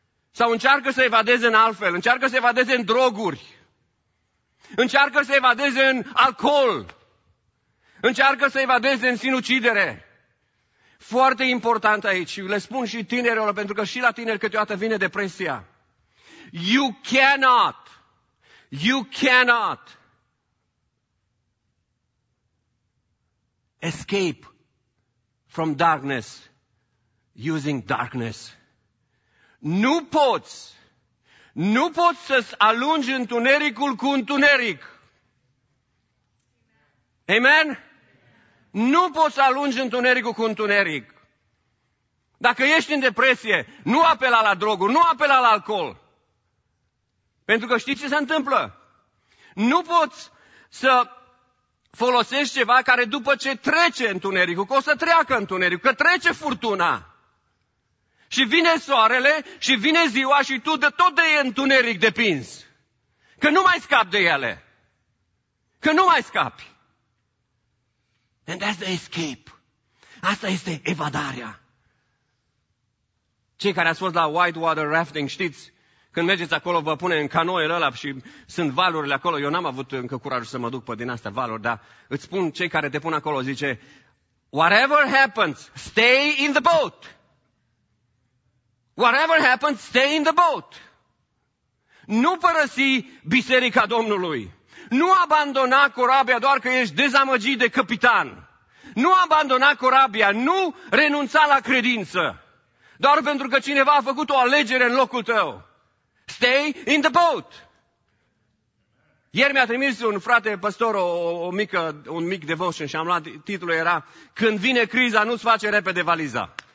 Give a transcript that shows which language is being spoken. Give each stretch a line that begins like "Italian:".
Romanian: Sau încearcă să evadeze în altfel. Încearcă să evadeze în droguri. Încearcă să evadeze în alcool. Încearcă să evadeze în sinucidere. Foarte important aici, le spun și tinerilor, pentru că și la tineri câteodată vine depresia.
English: You cannot, you cannot escape from darkness using darkness.
Romanian: Nu poți, nu poți să-ți alungi întunericul cu întuneric. Amen? Nu poți să alungi întunericul cu întuneric. Dacă ești în depresie, nu apela la droguri, nu apela la alcool. Pentru că știi ce se întâmplă? Nu poți să folosești ceva care după ce trece întunericul, că o să treacă întunericul, că trece furtuna. Și vine soarele și vine ziua și tu de tot de întuneric depinzi. Că nu mai scapi de ele. Că nu mai scapi.
English: And that's the escape.
Romanian: Asta este evadarea. Cei care ați fost la whitewater rafting, știți, când mergeți acolo, vă pune în canoile ăla și sunt valurile acolo. Eu n-am avut încă curajul să mă duc pe din astea valuri, dar îți spun, cei care te pun acolo, zice,
English: whatever happens, stay in the boat. Whatever happens, stay in the boat.
Romanian: Nu părăsi biserica Domnului. Nu abandona corabia doar că ești dezamăgit de capitan. Nu abandona corabia, nu renunța la credință, doar pentru că cineva a făcut o alegere în locul tău.
English: Stay in the boat!
Romanian: Ieri mi-a trimis un frate pastor un mic devotion și am luat titlul, era când vine criza, nu-ți face repede valiza.